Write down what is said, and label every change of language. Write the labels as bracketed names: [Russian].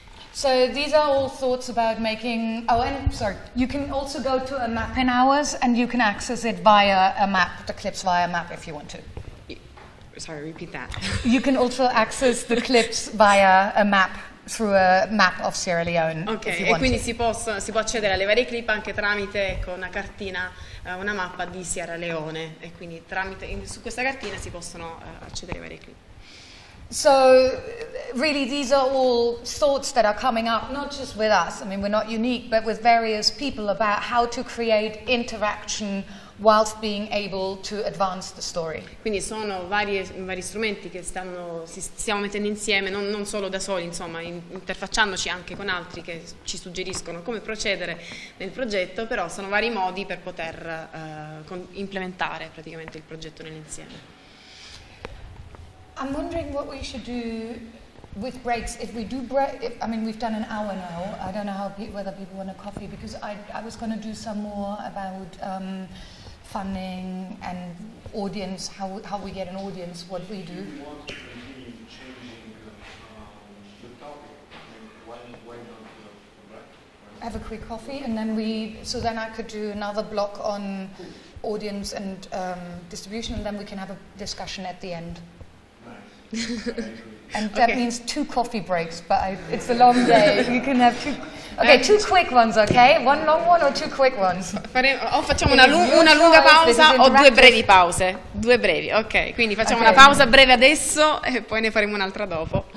[English] So these are all thoughts about making, you can also go to a map in ours and you can access it via a map, the clips via a map if you want to. Sorry, repeat that. You can also access the clips via a map through a map of Sierra Leone. Ok, if you want [Italian] e quindi si può accedere alle varie clip anche tramite una cartina, una mappa di Sierra Leone. E quindi su questa cartina si possono accedere ai vari clip. [English] So, really, these are all thoughts that are coming up, not just with us, I mean, we're not unique, but with various people about how to create interaction whilst being able to advance the story. [Italian] Quindi sono vari strumenti che stiamo mettendo insieme, non solo da soli, insomma, interfacciandoci anche con altri che ci suggeriscono come procedere nel progetto, però sono vari modi per poter implementare praticamente il progetto nell'insieme. [English] I'm wondering what we should do with breaks. If we do break, I mean, we've done an hour now. I don't know whether people want a coffee, because I was going to do some more about funding and audience, how we get an audience, what we do. Have a quick coffee, and then then I could do another block on audience and distribution, and then we can have a discussion at the end. And that means two coffee breaks, but it's a long day. You can have two quick ones, okay? One long one or two quick ones? [Italian] O facciamo una lunga pausa o due brevi pause. Due brevi, ok. Quindi facciamo una pausa breve adesso e poi ne faremo un'altra dopo.